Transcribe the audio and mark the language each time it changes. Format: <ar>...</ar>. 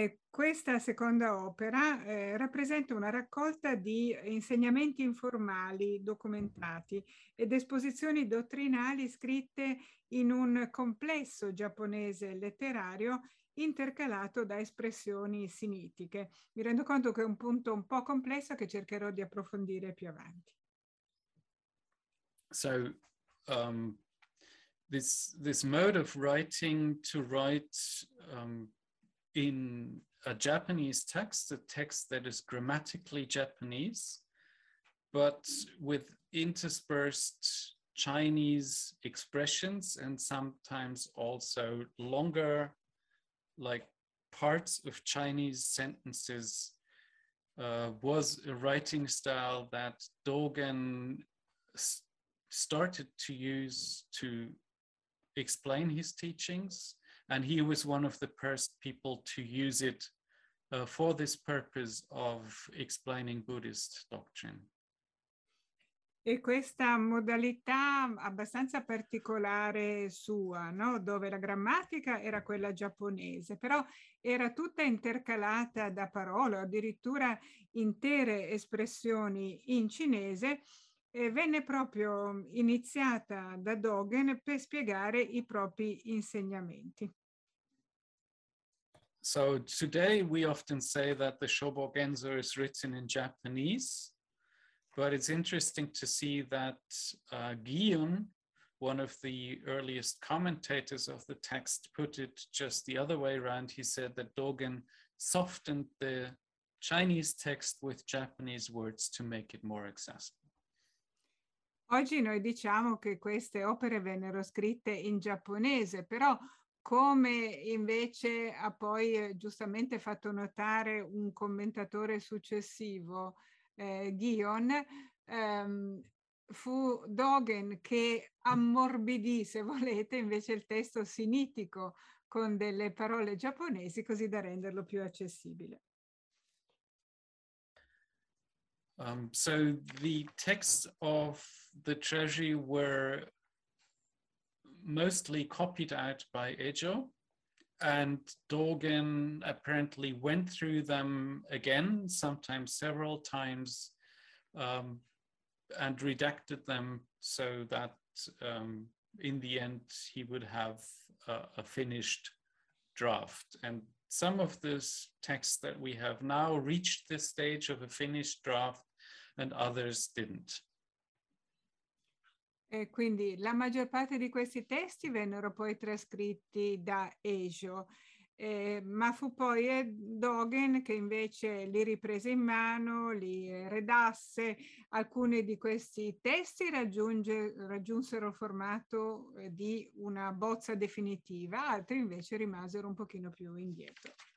<it>Questa seconda opera rappresenta una raccolta di insegnamenti informali documentati ed esposizioni dottrinali scritte in un complesso giapponese letterario intercalato da espressioni sinitiche. Mi rendo conto che è un punto un po' complesso che cercherò di approfondire più avanti.</it> <en>So, this mode of writing to write in a Japanese text, a text that is grammatically Japanese, but with interspersed Chinese expressions and sometimes also longer, like parts of Chinese sentences was a writing style that Dogen started to use to explain his teachings, and he was one of the first people to use it for this purpose of explaining Buddhist doctrine.</en> <it>E questa modalità abbastanza particolare sua, no? Dove la grammatica era quella giapponese, però era tutta intercalata da parole, addirittura intere espressioni in cinese, e venne proprio iniziata da Dogen per spiegare i propri insegnamenti.</it> <en>So today we often say that the Shobo Genzo is written in Japanese. But it's interesting to see that Giyun, one of the earliest commentators of the text, put it just the other way around. He said that Dogen softened the Chinese text with Japanese words to make it more accessible.</en> <it>Oggi noi diciamo che queste opere vennero scritte in giapponese, però come invece ha poi giustamente fatto notare un commentatore successivo, Gion, fu Dogen che ammorbidì, se volete, invece il testo sinitico con delle parole giapponesi così da renderlo più accessibile.</it> <en>So the texts of the Treasury were mostly copied out by Ejo, and Dogen apparently went through them again, sometimes several times, and redacted them so that in the end he would have a finished draft. And some of this text that we have now reached this stage of a finished draft, and others didn't.</en> <it>E quindi la maggior parte di questi testi vennero poi trascritti da Ejo, ma fu poi Dogen che invece li riprese in mano, li redasse. Alcuni di questi testi raggiunsero il formato di una bozza definitiva, altri invece rimasero un pochino più indietro.</it>